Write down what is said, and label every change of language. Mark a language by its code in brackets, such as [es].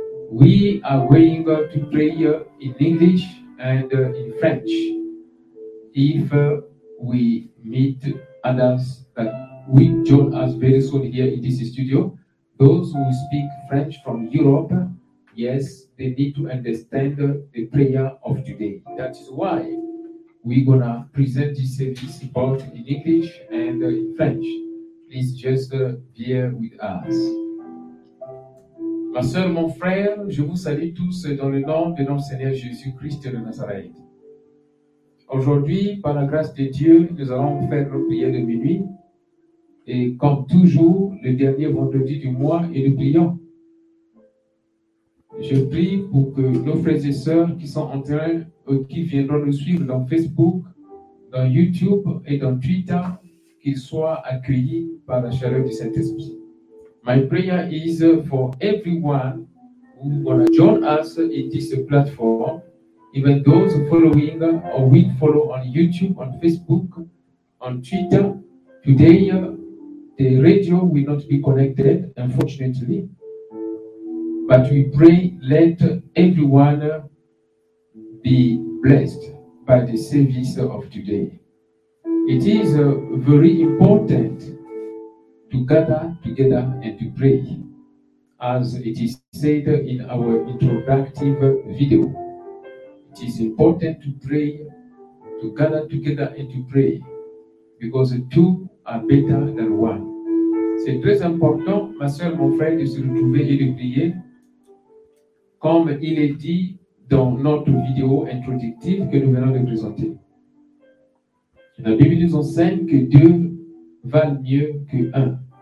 [en] We are going to pray in English and in French if we meet others that will join us very soon here in this studio. Those who speak French from Europe, yes, they need to understand the prayer of today. That is why we're going to present this service both in English and in French. Please just bear with us. [fr] Ma soeur, mon frère, je vous salue tous dans le nom de notre Seigneur Jésus-Christ de Nazareth. Aujourd'hui, par la grâce de Dieu, nous allons faire nos prières de minuit. Et comme toujours, le dernier vendredi du mois, et nous prions. Je prie pour que nos frères et sœurs qui sont en train, qui viendront nous suivre dans Facebook, dans YouTube et dans Twitter, qu'ils soient accueillis par la chaleur du Saint-Esprit. [en] My prayer is for everyone who will join us in this platform, even those following or will follow on YouTube, on Facebook, on Twitter. Today, the radio will not be connected, unfortunately. But we pray, let everyone be blessed by the service of today. It is very important to gather together and to pray, as it is said in our introductory video. It is important to pray, to gather together and to pray, because two are better than one. [fr] C'est très important, ma soeur, mon frère, de se retrouver et de prier. Comme il est dit dans notre vidéo introductive que nous venons de présenter. La Bible nous enseigne que deux valent mieux que un.